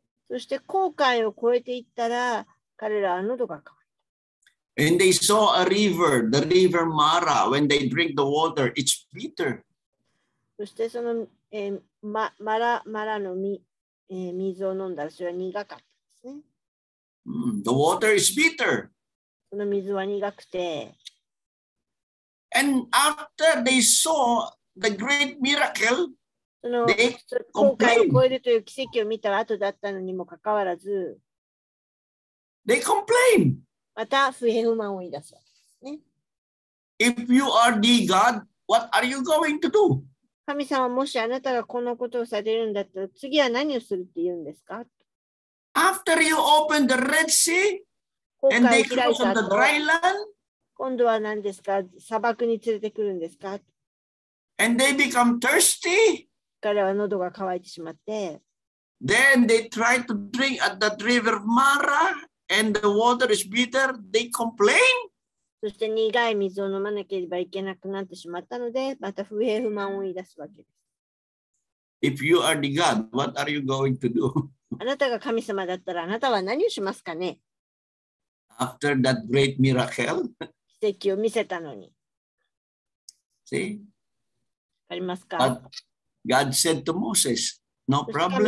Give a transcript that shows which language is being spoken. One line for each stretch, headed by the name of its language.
Japanese: そして航海を越えていったら彼らは喉が渇いた。
English: And they saw a river, the river Mara. When they drink the water, it's bitter.
Japanese: そしてそのマラの実水を飲んだらそれは苦かったですね。
English: The water is bitter.
Japanese: その水は苦くて。
English: And after they saw the great miracle,
Japanese: その航海を越えるという奇跡を見た後だったのにもかかわらず、
English: they complain.
Japanese: また不平不満を言い出すわけですね。
English: If you are the God, what are you going to do?
Japanese: 神様、もしあなたがこのことをされるんだったら、次は何をするって言うんですか
English: ?After you open the Red Sea and they cross on the dry land?
Japanese: 今度は何ですか砂漠に連れてくるんですか
English: ?And they become thirsty?
Japanese: 彼は喉が渇いてしまって。
English: Then they try to drink at that river Mara and the water is bitter. They complain?
Japanese: そして苦い水を飲まなければいけなくなってしまったので、また不平不満を言い出すわけです。
English: If you are the God, what are you going to do?
Japanese: あなたが神様だったらあなたは何をしますかね
English: ?After that great miracle?
Japanese: 奇跡を見せたのに。
English: See?
Japanese: わかりますか
English: ?But God said to Moses, no problem.